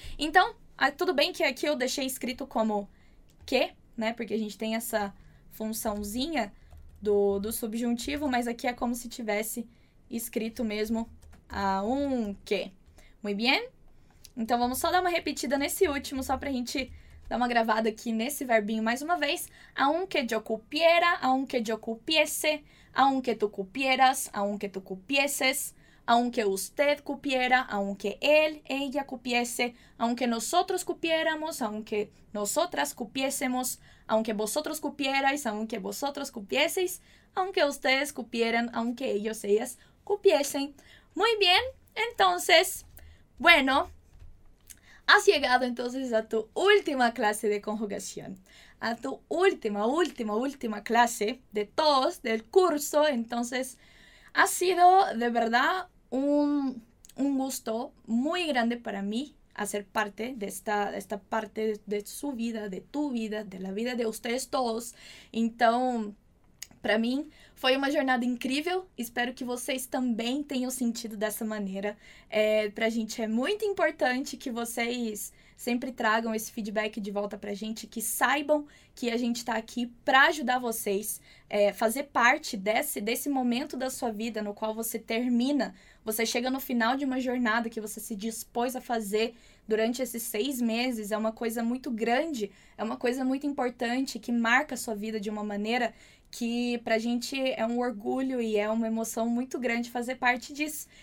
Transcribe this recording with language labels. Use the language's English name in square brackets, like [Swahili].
[Spanish] Entonces, [Portuguese] tudo [Spanish] bien que aquí yo dejé escrito como que, [Portuguese] né? Porque a gente tem essa funçãozinha do subjuntivo, mas aqui é como se tivesse escrito mesmo aunque. [Spanish] Muy bien? [Portuguese] Então, vamos só dar uma repetida nesse último, só pra gente dar uma gravada aqui nesse verbinho mais uma vez. [Spanish] Aunque yo cupiera, aunque yo cupiese, aunque tu cupieras, aunque tu cupieses, aunque usted cupiera, aunque él, ella cupiese, aunque nosotros cupiéramos, aunque nosotras cupiésemos, aunque vosotros cupierais, aunque vosotros cupieseis, aunque ustedes cupieran, aunque ellos, ellas cupiesen. Muy bien, entonces, bueno, has llegado entonces a tu última clase de conjugación, a tu última clase de todos, del curso. Entonces, ha sido de verdad un gusto muy grande para mí hacer parte de esta parte de su vida, de tu vida, de la vida de ustedes todos. Entonces, para mí [Portuguese] Foi uma jornada incrível. Espero que vocês também tenham sentido dessa maneira. Pra gente é muito importante que vocês sempre tragam esse feedback de volta pra gente, que saibam que a gente tá aqui pra ajudar vocês, fazer parte desse momento da sua vida no qual você termina, você chega no final de uma jornada que você se dispôs a fazer durante esses 6 meses, é uma coisa muito grande, é uma coisa muito importante que marca a sua vida de uma maneira que pra gente é um orgulho e é uma emoção muito grande fazer parte disso.